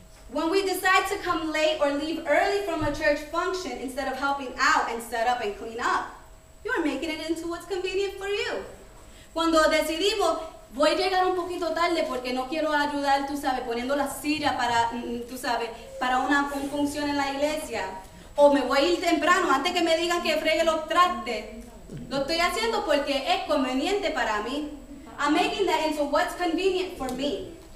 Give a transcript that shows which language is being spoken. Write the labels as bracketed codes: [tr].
[en] When we decide to come late or leave early from a church function instead of helping out and set up and clean up, you are making it into what's convenient for you. [es] Cuando decidimos, voy a llegar un poquito tarde porque no quiero ayudar, tú sabes, poniendo la silla para, tú sabes, para una función en la iglesia. O me voy a ir temprano antes que me digan que fregue los trastes. Lo estoy haciendo porque es conveniente para mí. [en] I'm making that into what's convenient for me.